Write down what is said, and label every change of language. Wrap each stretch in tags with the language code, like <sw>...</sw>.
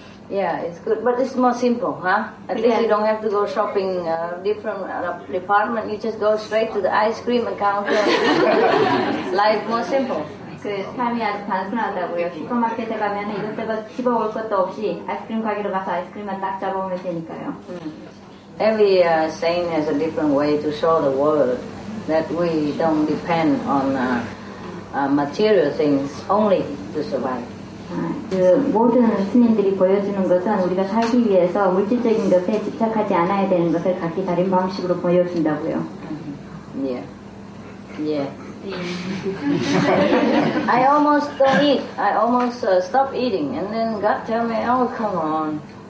<en>Yeah, it's good, but it's more simple, huh? At least you don't have to go shopping different department. You just go straight to the ice cream counter. Life more simple.</en> <ko>그 삶이 아주 단순하다고요. 슈퍼마켓에 가면 이것저것 집어 올 것도 없이 아이스크림 가게로 가서 아이스크림만 딱 잡아오면 되니까요.</ko> <en>Every saint has a different way to show the world that we don't depend on material things only to survive.</en> <ko>그 모든 스님들이 보여주는 것은 우리가 살기 위해서 물질적인 것에 집착하지 않아야 되는 것을 각기 다른 방식으로 보여준다고요.</ko> <en>Yeah. I almost don't eat. I almost stop eating. And then God tell me, oh, come on.</en>